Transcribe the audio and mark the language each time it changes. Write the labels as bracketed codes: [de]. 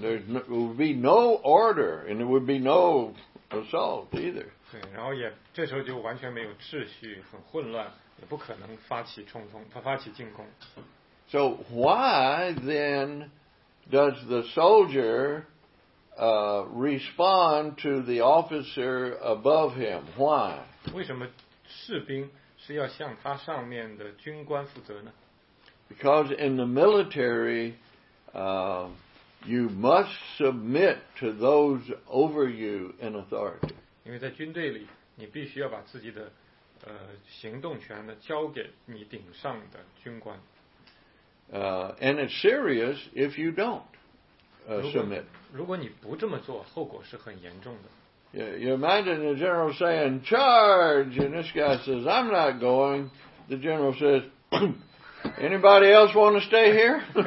[en] There would be no order, and there would be no assault either. [zh] 对，然后也这时候就完全没有秩序，很混乱，也不可能发起冲锋，他发起进攻。 [en] So why then does the soldier respond to the officer above him? Why? [zh] 为什么士兵是要向他上面的军官负责呢？ [en] Because in the military, you must submit to those over you in authority. [zh] 因为在军队里，你必须要把自己的行动权呢交给你顶上的军官。 [en] And it's serious if you don't submit. [zh] 如果你不这么做，后果是很严重的。 [en] You imagine the general saying charge, and this guy says I'm not going. The general says, anybody else want to stay here?